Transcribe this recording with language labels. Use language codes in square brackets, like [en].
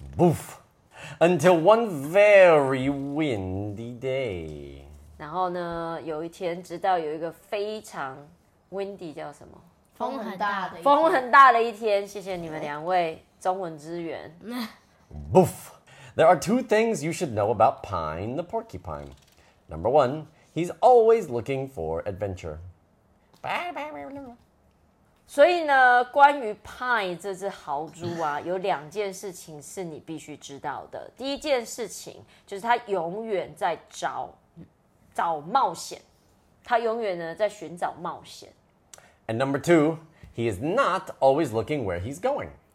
[en] Boof! Until one very windy day. [zh] 然后呢，有一天，直到有一个非常 [en] windy [zh] 叫什么？风很大的一天。风很大的一天，谢谢你们两位中文支援。 [en] Boof! There are two things you should know about Pine the porcupine. Number one, he's always looking for adventure. [zh] 所以呢，关于 Pine 这只豪猪啊，有两件事情是你必须知道的。第一件事情就是他永远在找冒险，他永远呢在寻找冒险。 [en] And number two, he is not always looking where he's going.